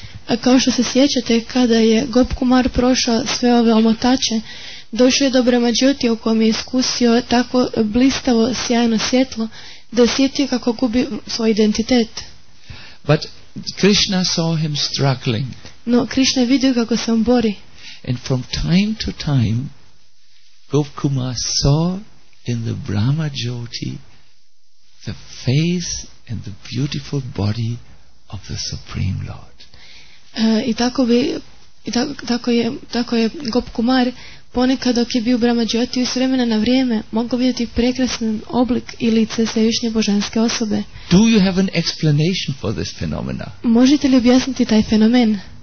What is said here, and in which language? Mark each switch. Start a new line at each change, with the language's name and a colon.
Croatian: A kao što se sjećate, kada je Gop Kumar prošao sve ove omotače, došao je do Brahma Jyoti u kojem je iskusio takvo blistavo sjajno svjetlo da osjetio kako gubi svoj identitet.
English: But Krishna saw him struggling.
Croatian: No Krishna je vidio kako se on bori.
English: And from time to time Gop Kumar saw in the Brahma Jyoti the face and the beautiful body of the Supreme Lord.
Croatian: I tako je Gop Kumar ponekad dok je bio u Brahma Jyoti s vremena na vrijeme mogao vidjeti prekrasan oblik i lice svevišnje božanske osobe.
English: Do you have an explanation for this phenomena?
Croatian: Možete li objasniti taj fenomen?